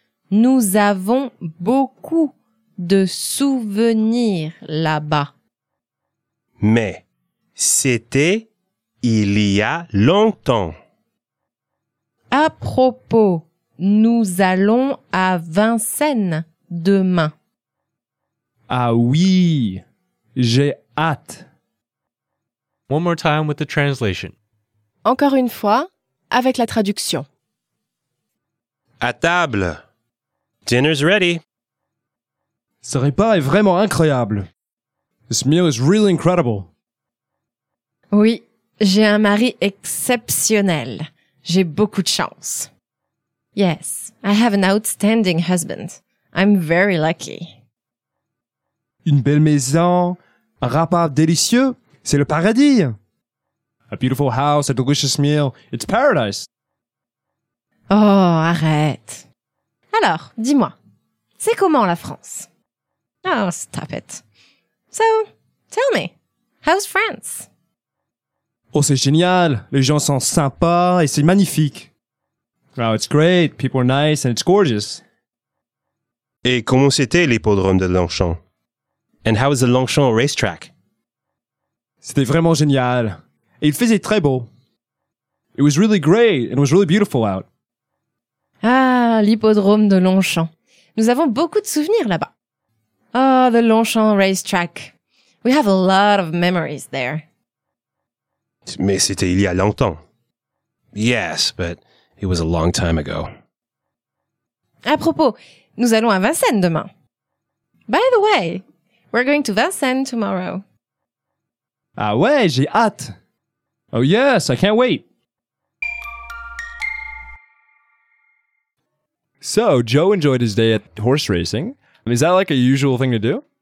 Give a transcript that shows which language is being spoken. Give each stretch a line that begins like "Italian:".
French: Nous avons beaucoup de souvenirs là-bas. Mais c'était il y a longtemps. À propos, nous allons à Vincennes demain. Ah oui, j'ai hâte.
English: One more time with the translation.
French: Encore une fois, avec la traduction. À table.
English: Dinner's ready.
French: Ce repas est vraiment incroyable.
English: This meal is really incredible.
French: Oui, j'ai un mari exceptionnel. J'ai beaucoup de chance.
English: Yes, I have an outstanding husband. I'm very lucky.
French: Une belle maison, un repas délicieux, c'est le paradis.
English: A beautiful house, a delicious meal, it's paradise.
French: Oh, arrête. Alors, dis-moi, c'est comment la France?
English: Oh, stop it. So, tell me, how's France?
French: Oh, c'est génial. Les gens sont sympas et c'est magnifique.
English: Wow, it's great. People are nice and it's gorgeous.
French: Et comment c'était l'hippodrome de Longchamp?
English: And how is the Longchamp racetrack?
French: C'était vraiment génial. Et il faisait très beau.
English: It was really great and it was really beautiful out.
French: Ah, l'hippodrome de Longchamp. Nous avons beaucoup de souvenirs là-bas.
English: Oh, the Longchamp racetrack. We have a lot of memories there.
French: Mais c'était il y a longtemps.
English: Yes, but it was a long time ago.
French: À propos, nous allons à Vincennes demain.
English: By the way, we're going to Vincennes tomorrow.
French: Ah ouais, j'ai hâte.
English: Oh yes, I can't wait. So, Joe enjoyed his day at horse racing. I mean, is that like a usual thing to do?